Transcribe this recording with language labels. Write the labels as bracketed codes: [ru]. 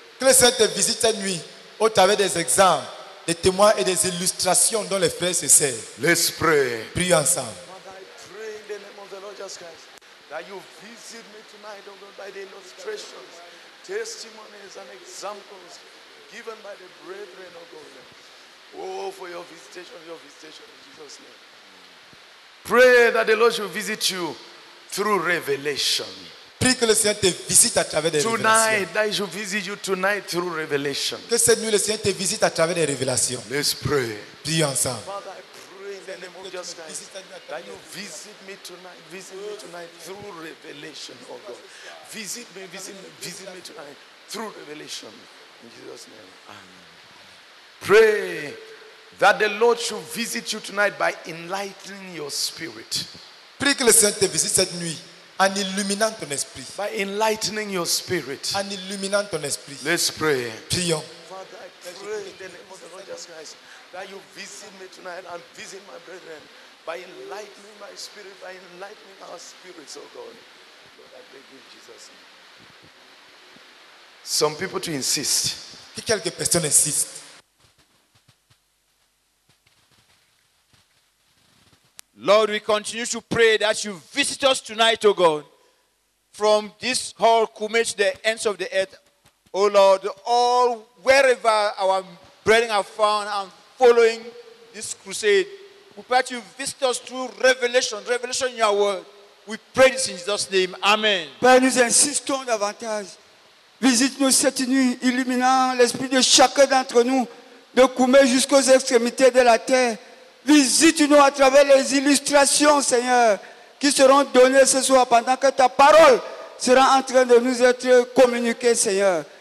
[fr] Que le Seigneur te visite cette nuit au travers des exemples, des témoins et des illustrations dont les frères se servent. [en] Let's pray. [fr] Prions ensemble. [en] Father, I pray in the name of the Lord Jesus Christ that you visit me tonight, oh God, by the illustrations, testimonies, and examples given by the brethren, oh God. Oh, for your visitation in Jesus' name. Pray that the Lord should visit you. Through revelation. [fr] Prie que le Seigneur te visite à travers des [en] tonight, I shall visit you tonight through revelation. [fr] Que cette nuit le Seigneur te visite à travers des révélations. [en] Let's pray. [fr] Prie ensemble. [en] Father, I pray in the name of Jesus Christ that you visit me tonight through revelation, oh God. Visit me tonight through revelation. In Jesus' name. Amen. Pray that the Lord should visit you tonight by enlightening your spirit. [fr] Prie que le Seigneur te visite cette nuit en illuminant ton esprit. [en] By enlightening your spirit. [fr] En illuminant ton esprit. [en] Let's pray. [fr] Prions. [en] Father, I pray in the name of the Lord Jesus Christ that you visit me tonight and visit my brethren by enlightening my spirit, by enlightening our spirits, oh God. Lord, I beg you in Jesus' name. Some people to insist. [fr] Que quelques personnes insistent. [en] Lord, we continue to pray that you visit us tonight, O God, from this hall, Kume, to the ends of the earth. O Lord, all wherever our brethren are found and following this crusade, we pray that you visit us through revelation in your word. We pray this in Jesus' name. Amen. [fr] Père, nous insistons davantage. Visite-nous cette nuit, illuminant l'esprit de chacun d'entre nous, de Kume jusqu'aux extrémités de la terre. Visite-nous à travers les illustrations, Seigneur, qui seront données ce soir pendant que ta parole sera en train de nous être communiquée, Seigneur.